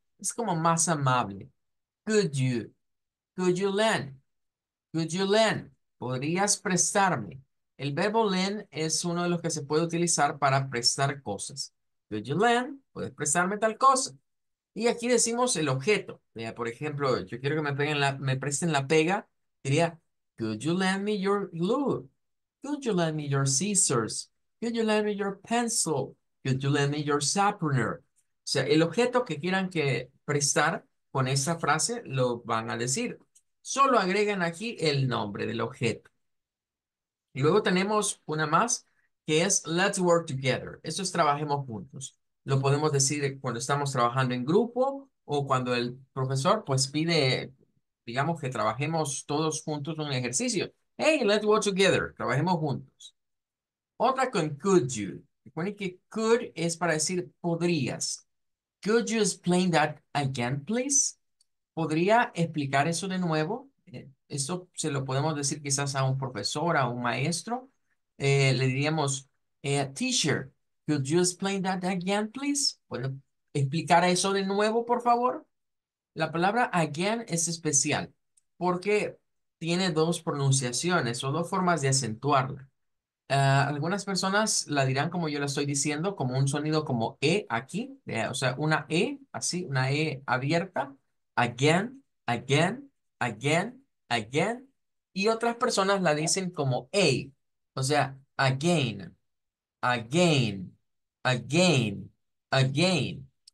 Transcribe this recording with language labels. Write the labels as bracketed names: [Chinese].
[English] Es como más amable. Could you lend? Could you lend? [Spanish] ¿Podrías prestarme? El verbo lend es uno de los que se puede utilizar para prestar cosas. Could you lend? ¿Puedes prestarme tal cosa? Y aquí decimos el objeto. Mira, por ejemplo, yo quiero que me presten la pega. [English] Diría, could you lend me your glue? Could you lend me your scissors? Could you lend me your pencil? Could you lend me your sharpener? [Spanish] O sea, el objeto que quieran que prestar con esa frase lo van a decir. Solo agregan aquí el nombre del objeto. Y luego tenemos una más que es Let's work together. Eso es trabajemos juntos. Lo podemos decir cuando estamos trabajando en grupo o cuando el profesor pues pide, digamos que trabajemos todos juntos un ejercicio. Hey, let's work together. Trabajemos juntos. Otra con could you. Recuerden que could es para decir podrías. [English] Could you explain that again, please? [Spanish] ¿Podría explicar eso de nuevo? Esto se lo podemos decir quizás a un profesor, a un maestro. [English] Le diríamos, teacher, could you explain that again, please? [Spanish] Bueno, explicar eso de nuevo, por favor. La palabra again es especial porque tiene dos pronunciaciones o dos formas de acentuarla. Algunas personas la dirán como yo la estoy diciendo, como un sonido como E aquí, o sea, una E así, una E abierta, again, again, again, again, y otras personas la dicen como A, o sea, again, again, again, again.